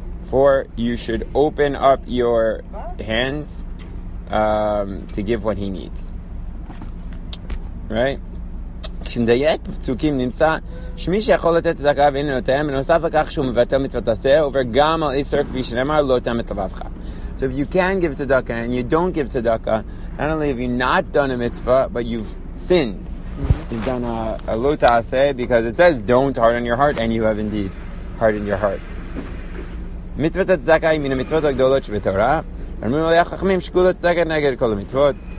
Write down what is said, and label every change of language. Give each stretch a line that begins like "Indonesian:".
English: For you should open up your hands to give what he needs. Right?
Hebrew: כשנדייק פסוקים נמצא שמי שיכול לתת צדקה ואין לנותם בנוסף לכך שהוא מבטל מצוות עשה עובר גם על איסר כפי שנאמר לא תמת לבבך.
English: So if you can give tzedakah and you don't give tzedakah, not only have you not done a mitzvah, but you've sinned. You've done a lo ta'aseh, because it says don't harden your heart, and you have indeed hardened your heart. Mitzvah tzedakah is one of the mitzvot hagdolot shebetorah. And we're going to say,
Hebrew: shkula tzedakah neged kol mitzvot.